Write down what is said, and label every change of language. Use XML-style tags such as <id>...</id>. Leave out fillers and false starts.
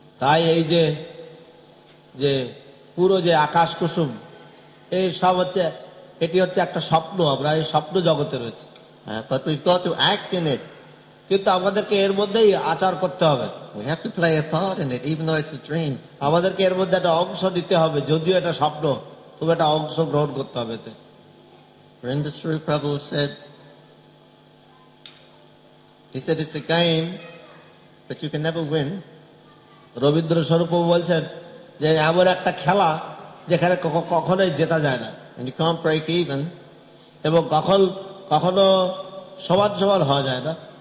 <bn>তাই এই যে যে পুরো যে আকাশ কুসুম এই সব হচ্ছে, এটি হচ্ছে একটা স্বপ্ন, আমরা এই স্বপ্ন জগতে রয়েছে।</bn> <en>But we've got to act in it.</en> <bn>কিন্তু আমাদেরকে এর মধ্যেই আচার করতে হবে।</bn> <en>We have to play a part in it, even though it's a dream.</en> <bn>আমাদেরকে এর মধ্যে একটা অংশ নিতে হবে, যদিও এটা স্বপ্ন, তবে একটা অংশ গ্রহণ করতে হবে এতে।</bn> <en>Vrindaswarupa Prabhu said, it's a game, but you can never win.</en> <bn>Rabindrasarupa বলছেন যে এমন একটা খেলা যেখানে কখনোই জেতা যায় না।</bn> <en>And you can't break even.</en> <bn>এবং কখন কখনো সমান সমান হওয়া যায় না।</bn>